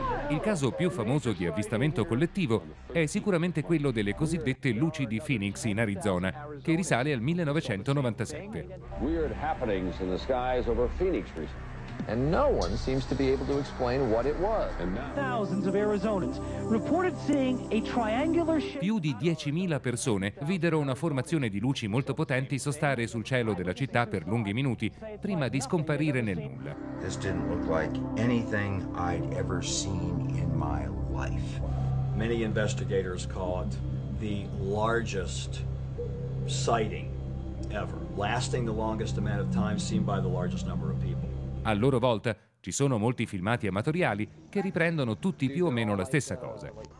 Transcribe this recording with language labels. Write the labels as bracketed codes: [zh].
[it] Il caso più famoso di avvistamento collettivo è sicuramente quello delle cosiddette luci di Phoenix in Arizona, che risale al 1997. [en] Weird happenings in the skies over Phoenix recently. And no one seems to be able to explain what it was. Thousands of Arizonans reported seeing a triangular shape. [it] Più di 10.000 persone videro una formazione di luci molto potenti sostare sul cielo della città per lunghi minuti prima di scomparire nel nulla. [en] This didn't look like anything I'd ever seen in my life. Many investigators call it the largest sighting ever, lasting the longest amount of time seen by the largest number of people. [it] A loro volta ci sono molti filmati amatoriali che riprendono tutti più o meno la stessa cosa.